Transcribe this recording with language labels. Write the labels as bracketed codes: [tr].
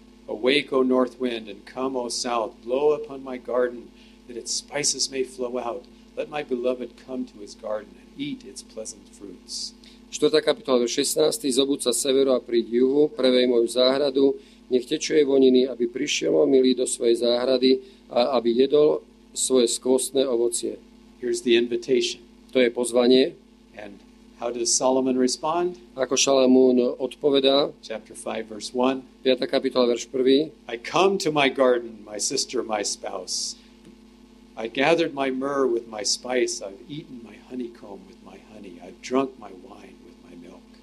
[en] Awake, O north wind, and come, O south, blow upon my garden, that its spices may flow out. Let my beloved come to his garden and eat its pleasant fruits. [sk] 4. kapitola, 16. Zobud sa severu a príď juhu, prevej moju záhradu, nech tečuje voniny, aby prišiel môj milý do svojej záhrady a aby jedol svoje skvostné ovocie. [en] Here's the invitation. [sk] To je pozvanie. [en] And how does Solomon respond? [sk] Ako Šalamún odpovedá? [en] Chapter 5, verse 1. [sk] 5. kapitola, verš 1. [en] I come to my garden, my sister, my spouse. I gathered my myrrh with my spice, I've eaten my honeycomb with my honey, I've drunk my wine with my milk.